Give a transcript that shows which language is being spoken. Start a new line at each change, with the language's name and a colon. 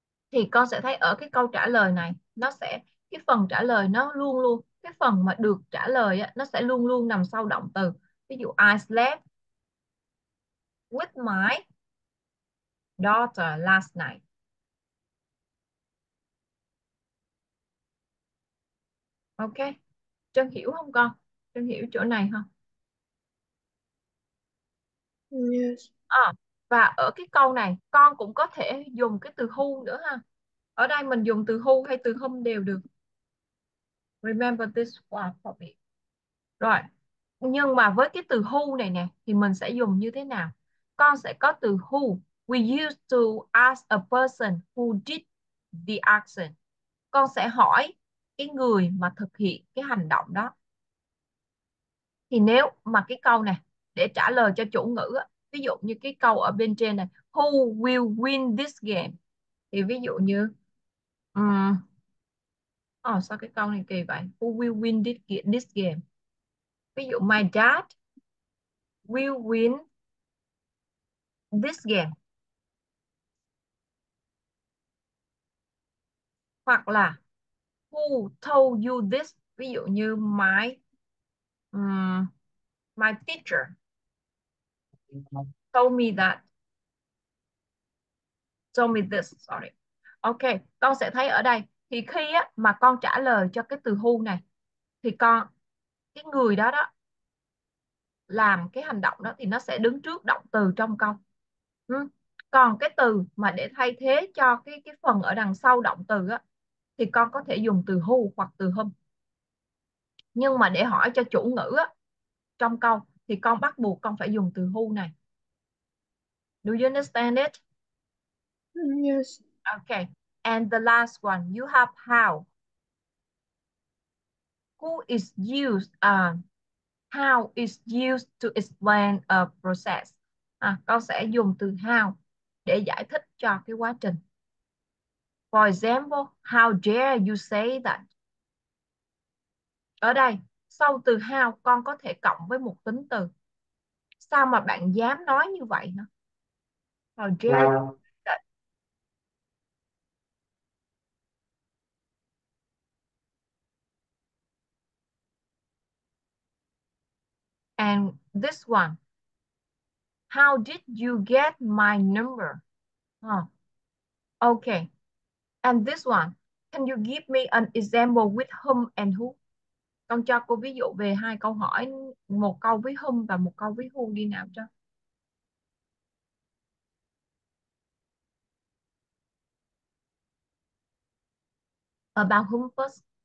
Vietnamese: Thì con sẽ thấy ở cái câu trả lời này, nó sẽ cái phần trả lời nó luôn luôn, cái phần mà được trả lời á, nó sẽ luôn luôn nằm sau động từ. Ví dụ
English: I slept with my daughter last night.
Vietnamese: Ok. Trân hiểu không con? Trân hiểu chỗ này không? Và ở cái câu này con cũng có thể dùng cái từ who nữa ha. Ở đây mình dùng từ who hay từ whom đều được.
English: Remember this one for me.
Vietnamese: Rồi. Nhưng mà với cái từ who này nè thì mình sẽ dùng như thế nào? Con sẽ có từ who.
English: We used to ask a person who did the action.
Vietnamese: Con sẽ hỏi cái người mà thực hiện cái hành động đó. Thì nếu mà cái câu này để trả lời cho chủ ngữ, ví dụ như cái câu ở bên trên này,
English: who will win this game?
Vietnamese: Thì ví dụ như sao cái câu này kỳ vậy?
English: Who will win this game?
Vietnamese: Ví dụ
English: my dad will win this game.
Vietnamese: Hoặc là
English: who told you this?
Vietnamese: Ví dụ như
English: my teacher told me this, sorry.
Vietnamese: Ok, con sẽ thấy ở đây thì khi á mà con trả lời cho cái từ who này thì con cái người đó đó làm cái hành động đó thì nó sẽ đứng trước động từ trong câu. Còn cái từ mà để thay thế cho cái phần ở đằng sau động từ á thì con có thể dùng từ who hoặc từ whom. Nhưng mà để hỏi cho chủ ngữ á trong câu thì con bắt buộc con phải dùng từ who này.
English: Do you understand Yes. it? Okay. And the last one, you have how. Who is used, how is used to explain a process?
Vietnamese: Con sẽ dùng từ how để giải thích cho cái quá trình.
English: For example, how dare you say that?
Vietnamese: Ở đây, sau từ how, con có thể cộng với một tính từ. Sao mà bạn dám nói như vậy hả?
English: How dare you? And this one. How did you get my number? Okay. And this one. Can you give me an example with whom and who?
Vietnamese: Con cho cô ví dụ về hai câu hỏi, một câu với whom và một câu với who đi nào cho.
English: About whom first?